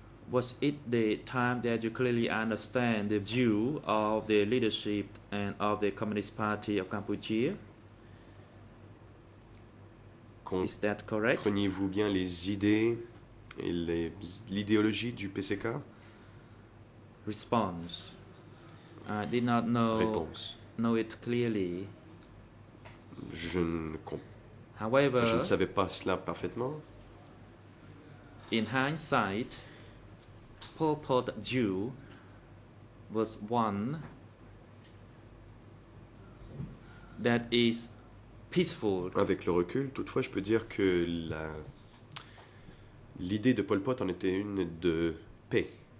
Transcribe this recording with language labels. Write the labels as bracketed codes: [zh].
[en] was it the time that you clearly understand the view of the leadership and of the Communist Party of Cambodia? Is that correct? [fr] Preniez-vous bien les idées et les, l'idéologie du PCK? [en] Response. I did not know. [fr] Réponse. [en] Know it clearly. [fr] Je ne savais pas cela parfaitement. [en] In hindsight, Pol Pot Dieu was one that is peaceful. [fr] Avec le recul, toutefois, je peux dire que l'idée de Pol Pot en était une de paix.